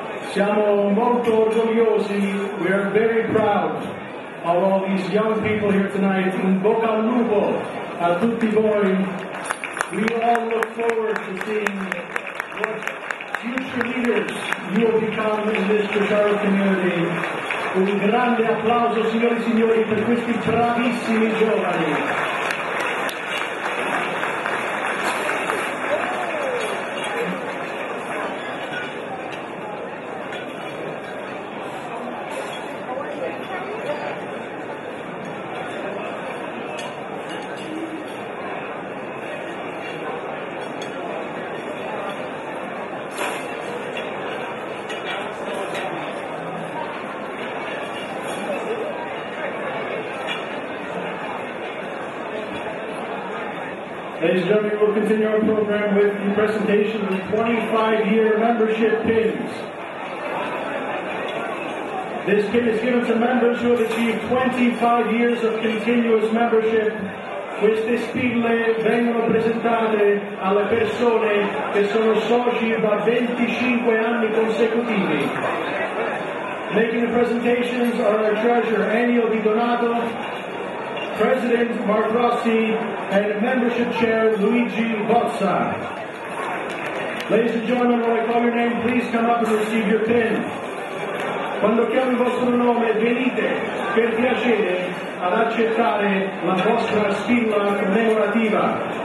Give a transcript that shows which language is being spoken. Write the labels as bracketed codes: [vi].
[it] Siamo molto orgogliosi, [en] we are very proud of all these young people here tonight. [it] In bocca al lupo a tutti voi. [en] We all look forward to seeing what future leaders you will become in this Ciociaro community. [it] Un grande applauso, signori e signori, per questi bravissimi giovani. [en] Ladies and gentlemen, we'll continue our program with the presentation of 25-year membership pins. This pin is given to members who have achieved 25 years of continuous membership. [it] Queste spille vengono presentate alle persone che sono soci da 25 anni consecutivi. [en] Making the presentations are our treasurer, Ennio Di Donato, President Mark Rossi, and Membership Chair Luigi Bozza. Ladies and gentlemen, when I call your name, please come up and receive your pin. [it] Quando chiamo il vostro nome, venite per piacere ad accettare la vostra spilla commemorativa.